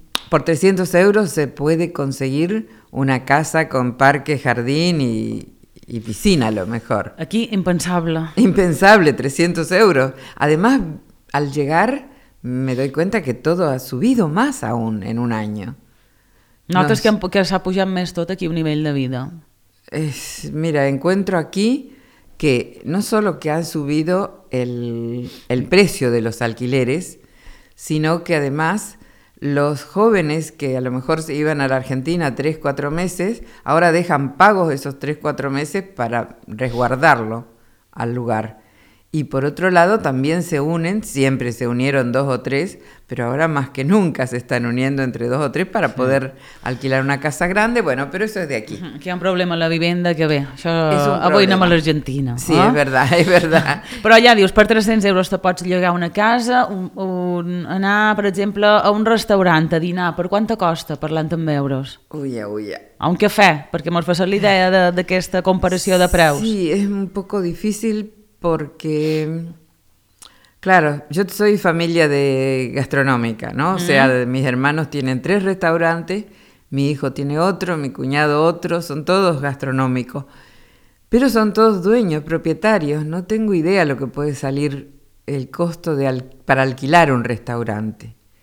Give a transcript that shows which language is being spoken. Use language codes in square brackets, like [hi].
[es] Por 300 euros se puede conseguir una casa con parque, jardín y piscina a lo mejor. Aquí, impensable. Impensable, 300 euros. Además, al llegar... me doy cuenta que todo ha subido más aún en un año. ¿Notas que se ha [ca] pujat més tot aquí a un nivell de vida? [es] Mira, encuentro aquí que no solo que han subido el precio de los alquileres, sino que además los jóvenes que a lo mejor se iban a la Argentina 3-4 meses, ahora dejan pagos esos 3-4 meses para resguardarlo al lugar. Y por otro lado también se unen, siempre se unieron dos o tres, pero ahora más que nunca se están uniendo entre dos o tres para poder alquilar una casa grande, bueno, pero eso es de aquí. Que hay un problema en la vivienda, [ca] que bé, això avui anem a l'Argentina. Sí, és verdad, és verdad. Però ja dius, per 300 euros te pots llogar una casa, anar, per exemple, a un restaurant a dinar, per quanta costa parlant amb euros? Uia, uia. A un cafè, perquè mos fas la idea d'aquesta comparació de preus. [es] Sí, és un poco difícil porque, claro, yo soy familia de gastronómica, ¿no? O sea, mis hermanos tienen tres restaurantes, mi hijo tiene otro, mi cuñado otro, son todos gastronómicos. Pero son todos dueños, propietarios. No tengo idea lo que puede salir el costo de para alquilar un restaurante.